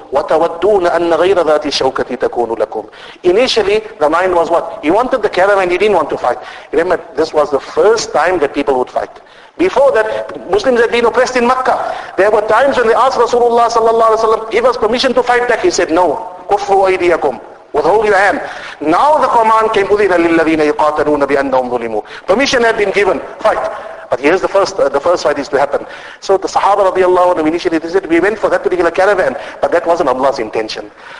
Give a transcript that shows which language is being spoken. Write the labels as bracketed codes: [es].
[ar] وَتَوَدُّونَ أَنَّ غَيْرَ ذَاتِ الشَّوْكَةِ تَكُونُ لَكُمْ. [en] Initially, the mind was what? He wanted the caravan, he didn't want to fight. Remember, this was the first time that people would fight. Before that, Muslims had been oppressed in Makkah. There were times when they asked Rasulullah sallallahu alaihi wasallam, give us permission to fight back. He said, no. [ar] كُفُّوا أَيْدِيَكُمْ. [en] Withhold your hand. Now the command came, [ar] أُذِنَ لِلَّذِينَ يُقَاتَلُونَ بِأَنَّهُمْ ظُلِمُوا. [en] Permission had been given, fight. But here's the first fight is to happen. So the Sahaba radiallahu anhu initially, they said, we went for that particular caravan, but that wasn't Allah's intention.